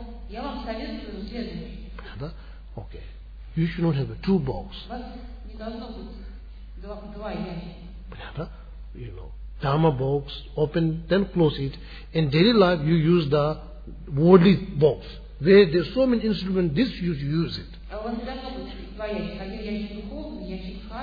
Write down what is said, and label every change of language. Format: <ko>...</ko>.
<ru>Я вам советую следующее.</ru> <en>Okay. You should not have two box.</en> <ru>У вас не должно быть два ящика.</ru> <en>You know, Dharma box, open, then close it. In daily life, you use the worldly box. Where there's so many instruments, this you should use it.</en> <ru>У вас не должно быть два ящика. Один ящик духовный, ящик</ru>